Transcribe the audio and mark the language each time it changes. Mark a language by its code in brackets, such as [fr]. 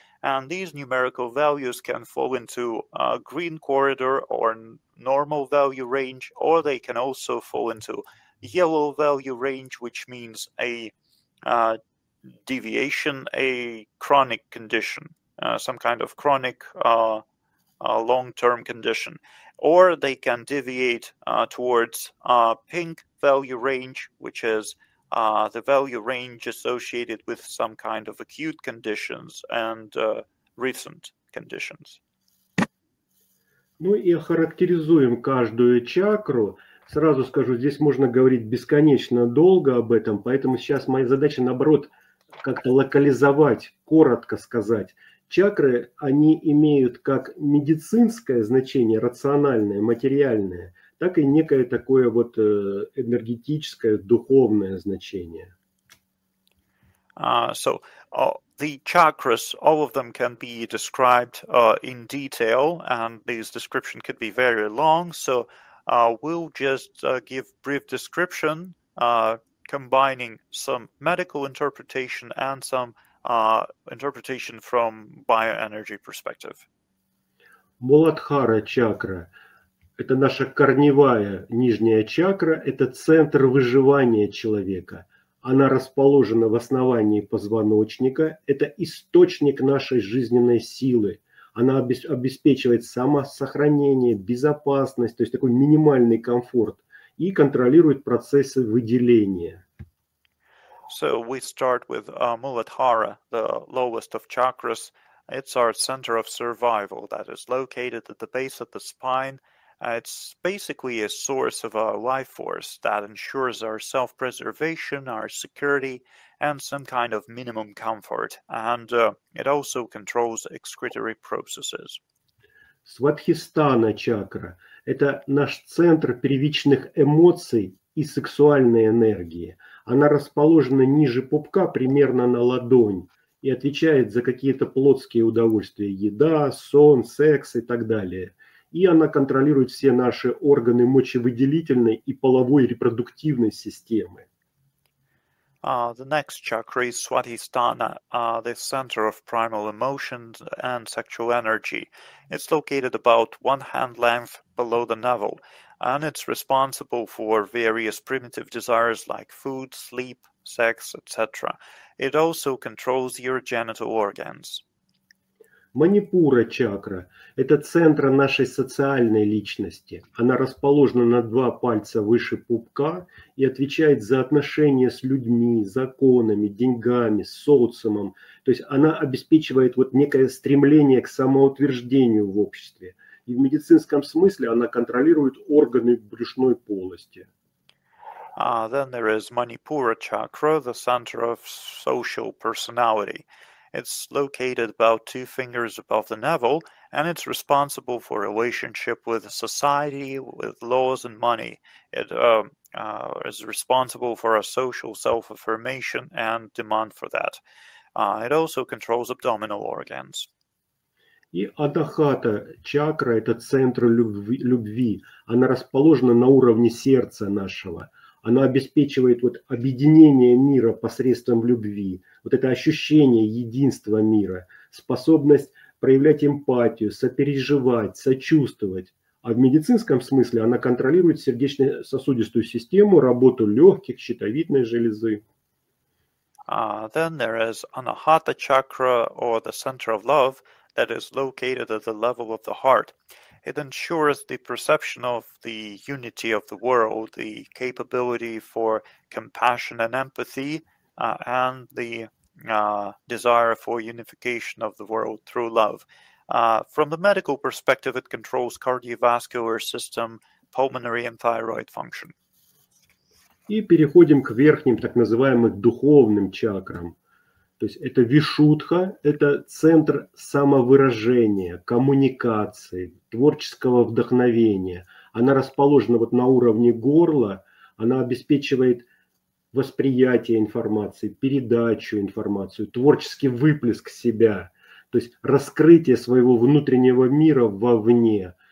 [en] And these numerical values can fall into a green corridor or normal value range, or they can also fall into yellow value range, which means a deviation, a chronic condition, some kind of chronic long-term condition. Or they can deviate towards a pink value range, which is the value range associated with some kind of acute conditions and recent conditions. [ru] Ну и охарактеризуем каждую чакру. Сразу скажу, здесь можно говорить бесконечно долго об этом, поэтому сейчас моя задача, наоборот, как-то локализовать, коротко сказать. Чакры, они имеют как медицинское значение, рациональное, материальное, так и некое такое вот энергетическое, духовное значение. [en] The chakras, all of them can be described in detail, and this description could be very long, so we'll just give brief description, combining some medical interpretation and some interpretation from bioenergy perspective. Muladhara chakra. [ru] Это наша корневая нижняя чакра, это центр выживания человека. Она расположена в основании позвоночника, это источник нашей жизненной силы. Она обеспечивает самосохранение, безопасность, то есть такой минимальный комфорт, и контролирует процессы выделения. [en] So we start with Muladhara, the lowest of chakras. It's our center of survival that is located at the base of the spine. It's basically a source of our life force that ensures our self-preservation, our security, and some kind of minimum comfort. And it also controls excretory processes. [ru] Свадхистана чакра – это наш центр первичных эмоций и сексуальной энергии. Она расположена ниже пупка, примерно на ладонь, и отвечает за какие-то плотские удовольствия – еда, сон, секс и так далее. И она контролирует все наши органы мочевыделительной и половой репродуктивной системы. [en] The next chakra is Swadhisthana, the center of primal emotions and sexual energy. It's located about one hand length below the navel, and it's responsible for various primitive desires like food, sleep, sex, etc. It also controls your genital organs. [ru] Манипура чакра – это центр нашей социальной личности. Она расположена на два пальца выше пупка и отвечает за отношения с людьми, законами, деньгами, социумом. То есть она обеспечивает вот некое стремление к самоутверждению в обществе. И в медицинском смысле она контролирует органы брюшной полости. [en] Then there is Manipura chakra, the center of social personality. It's located about two fingers above the navel, and it's responsible for relationship with society, with laws and money. It is responsible for our social self-affirmation and demand for that. It also controls abdominal organs. [ru] И Адахата чакра – это центр любви. Она расположена на уровне сердца нашего. Она обеспечивает вот объединение мира посредством любви. Вот это ощущение единства мира. Способность проявлять эмпатию, сопереживать, сочувствовать. А в медицинском смысле она контролирует сердечно-сосудистую систему, работу легких, щитовидной железы. [en] Then there is Anahata chakra, or the center of love, that is located at the level of the heart. It ensures the perception of the unity of the world, the capability for compassion and empathy, and the desire for unification of the world through love. From the medical perspective, it controls cardiovascular system, pulmonary and thyroid function. [ru] И переходим к верхним, так называемым, духовным чакрам. То есть это Вишудха, это центр самовыражения, коммуникации, творческого вдохновения. Она расположена вот на уровне горла, она обеспечивает восприятие информации, передачу информации, творческий выплеск себя, то есть раскрытие своего внутреннего мира вовне.